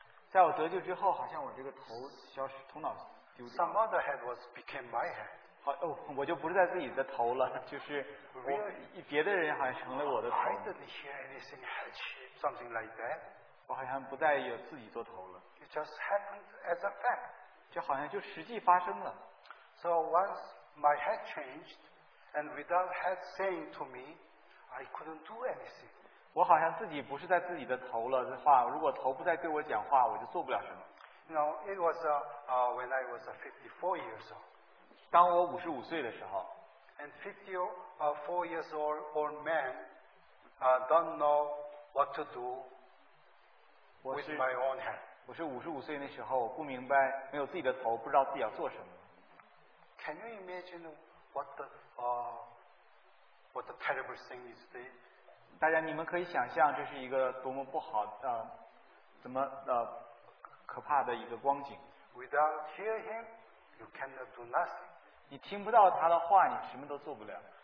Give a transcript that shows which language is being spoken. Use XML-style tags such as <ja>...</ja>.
<zh>在我得救之后，好像我这个头消失，头脑丢掉。</zh> <en>Some other head was became my head.</en> <zh>好哦，我就不是在自己的头了，就是我</zh> <en>really,</en> <zh>别的人好像成了我的头。</zh> <en>I didn't hear anything head shape, something like that.</en> <zh>我好像不再有自己做头了。</zh> <en>It just happened as a fact.</en> <zh>就好像就实际发生了。</zh> <en>So once my head changed, and without head saying to me, I couldn't do anything.</en> <zh>我好像自己不是在自己的头了的话，如果头不再对我讲话，我就做不了什么。</zh> <en>No, it was when I was 54 years old.</en> <zh>当我55岁的时候。</zh> <en>and 54 years old man don't know what to do with my own hand.</en> <zh>我是55岁那时候不明白没有自己的头不知道自己要做什么。</zh> <en>Can you imagine what the terrible thing is today?</en> <zh>大家你们可以想象这是一个多么不好怎么可怕的一个光景。</zh> <en>Without hear him, you cannot do nothing.</en> <zh>你听不到他的话你什么都做不了。</zh>